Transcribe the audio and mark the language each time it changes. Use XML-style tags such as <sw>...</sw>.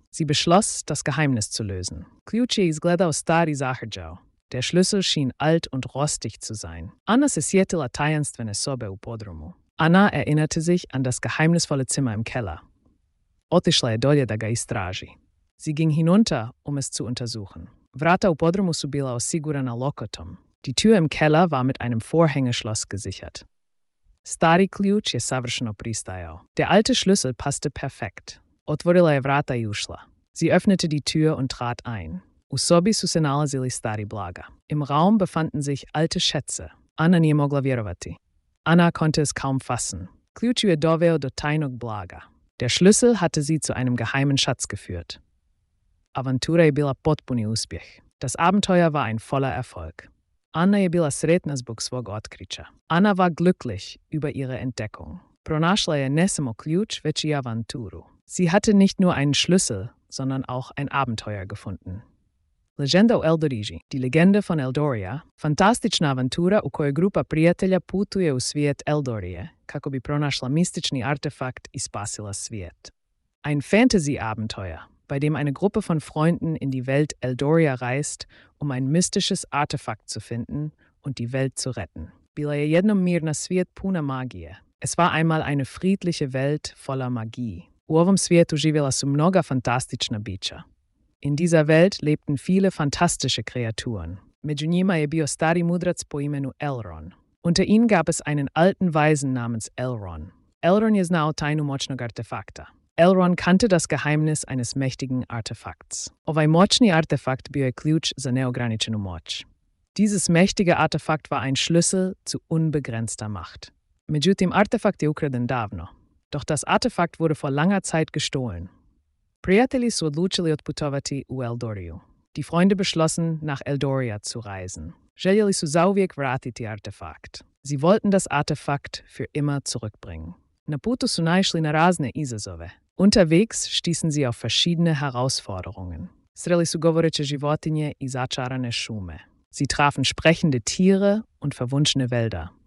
<de>Sie beschloss, das Geheimnis zu lösen.</de> <hr>Ključ je izgledao stari zahrđao.</hr> <de>Der Schlüssel schien alt und rostig zu sein.</de> <hr>Anna se sjetila tajanstvene sobe u podrumu.</hr> <de>Anna erinnerte sich an das geheimnisvolle Zimmer im Keller.</de> <hr>Otišla je dolje da ga istraži.</hr> <de>Sie ging hinunter, um es zu untersuchen.</de> <hr>Vrata u podrumu su bila osigurana lokotom.</hr> <de>Die Tür im Keller war mit einem Vorhängeschloss gesichert.</de> <hr>Stari ključ je savršeno pristajao.</hr> <de>Der alte Schlüssel passte perfekt.</de> <hr>Otvorila je vrata i ušla.</hr> <de>Sie öffnete die Tür und trat ein.</de> <hr>U sobi su se nalazili stari blaga.</hr> <de>Im Raum befanden sich alte Schätze.</de> <hr>Anna nije mogla vjerovati.</hr> <de>Anna konnte es kaum fassen.</de> <hr>Ključ ju je doveo do tajnog blaga.</hr> <de>Der Schlüssel hatte sie zu einem geheimen Schatz geführt.</de> <hr>Avantura je bila potpuni uspjeh.</hr> <de>Das Abenteuer war ein voller Erfolg.</de> <hr>Anna je bila sretna zbog svog otkrića.</hr> <de>Anna war glücklich über ihre Entdeckung.</de> <hr>Pronašla je ne samo ključ, već i avanturu.</hr> <de>Sie hatte nicht nur einen Schlüssel, sondern auch ein Abenteuer gefunden.</de> <hr>Legenda o Eldorigi,</hr> <de>die Legende von Eldoria,</de> <hr>fantastična avantura u kojoj grupa prijatelja putuje u svijet Eldorije, kako bi pronašla mistični artefakt i spasila svijet.</hr> <de>Ein Fantasy-Abenteuer, bei dem eine Gruppe von Freunden in die Welt Eldoria reist, um ein mystisches Artefakt zu finden und die Welt zu retten.</de> <hr>Bila je jednom mirna svijet puna magije.</hr> <de>Es war einmal eine friedliche Welt voller Magie.</de> <hr>U ovom svijetu živjela su mnoga fantastična bića.</hr> <de>In dieser Welt lebten viele fantastische Kreaturen.</de> <hr>Među njima je bio stari mudrac po imenu Elrond.</hr> <de>Unter ihnen gab es einen alten Weisen namens Elrond.</de> <hr>Elrond je znao tajnu moćnog artefakta.</hr> <de>Elrond kannte das Geheimnis eines mächtigen Artefakts.</de> <hr>Ovaj moćni artefakt bio je ključ za neograničenu moć.</hr> <de>Dieses mächtige Artefakt war ein Schlüssel zu unbegrenzter Macht.</de> <hr>Međutim, artefakt je ukraden davno.</hr> <de>Doch das Artefakt wurde vor langer Zeit gestohlen.</de> <hr>Prijatelji su odlučili otputovati u Eldoriju.</hr> <de>Die Freunde beschlossen, nach Eldoria zu reisen.</de> <hr>Željeli su zauvijek vratiti artefakt.</hr> <de>Sie wollten das Artefakt für immer zurückbringen.</de> <hr>Na putu su naišli na razne izazove.</hr> <de>Unterwegs stießen sie auf verschiedene Herausforderungen.</de> <hr>Sreli su govoreće životinje i začarane šume.</hr> <de>Sie trafen sprechende Tiere und verwunschene Wälder.</de>